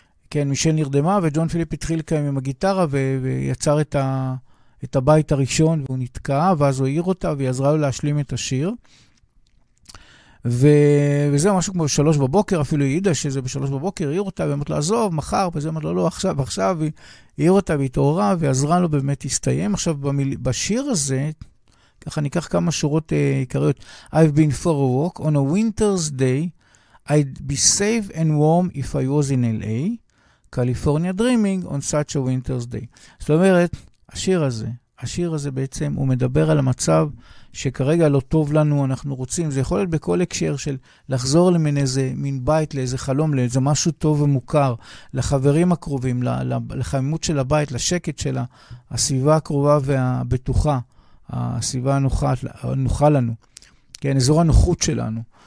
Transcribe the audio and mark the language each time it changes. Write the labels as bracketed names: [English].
[Hebrew] כן, מישל נרדמה, וג'ון פיליפ התחיל כאן עם הגיטרה, ויצר את הבית הראשון, והוא נתקע, ואז הוא העיר אותה, והיא עזרה לו להשלים את השיר. וזה משהו כמו שלוש בבוקר, אפילו היא ידעה שזה בשלוש בבוקר, העיר אותה, באמת לעזוב, מחר, וזה אומרת, לא, עכשיו, עכשיו, היא העיר אותה, והיא תאורה, ועזרה לו באמת להסתיים. עכשיו, בשיר הזה, ככה ניקח כמה שורות עיקריות. [English] I've been for a walk on a winter's day. I'd be safe and warm if I was in LA. California dreaming on such a winter's day. [Hebrew] זאת אומרת, השיר הזה בעצם, הוא מדבר על המצב שכרגע לא טוב לנו, אנחנו רוצים, זה יכול להיות בכל הקשר של לחזור למין איזה מין בית, לאיזה חלום, לאיזה משהו טוב ומוכר, לחברים הקרובים, לחמימות של הבית, לשקט של הסביבה הקרובה והבטוחה, הסביבה הנוחה לנו, כן, אזור הנוחות שלנו.